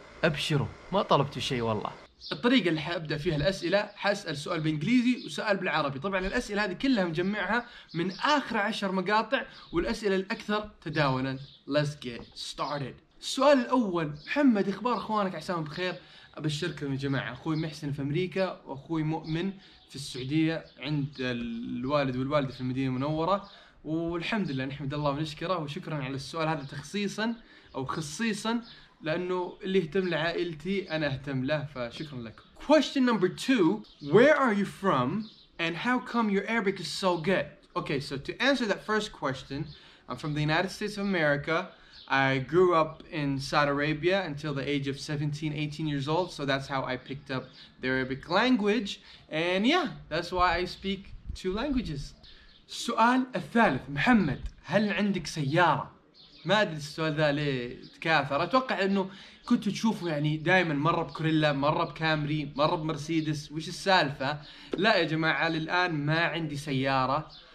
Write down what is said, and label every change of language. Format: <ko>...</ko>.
<ar>ابشروا ما طلبتوا شيء والله الطريقه اللي حابدا فيها الاسئله حاسال سؤال بانجليزي وسؤال بالعربي طبعا الاسئله هذه كلها مجمعها من اخر 10 مقاطع والاسئله الاكثر تداولا</ar> <en>Let's get started</en> <ar>السؤال الاول محمد اخبار اخوانك عساهم بخير ابشركم يا جماعه اخوي محسن في امريكا واخوي مؤمن في السعودية عند الوالد والوالدة في المدينة المنورة والحمد لله نحمد الله ونشكره وشكرا على السؤال هذا تخصيصا أو خصيصا لأنه اللي يهتم لعائلتي أنا أهتم له فشكرا لكم</ar> <en>Question number two Where are you from and how come your Arabic is so good? Okay, so to answer that first question I'm from the United States of America I grew up in Saudi Arabia until the age of 17, 18 years old. So that's how I picked up the Arabic language. And yeah, that's why I speak two languages.</en> <ar>السؤال الثالث محمد هل عندك سيارة؟ ما أدري السؤال ذا ليه تكاثر أتوقع أنه كنت تشوفه يعني دائما مرة بكوريلا مرة بكامري مرة بمرسيدس وش السالفة؟ لا يا جماعة للآن ما عندي سيارة</ar>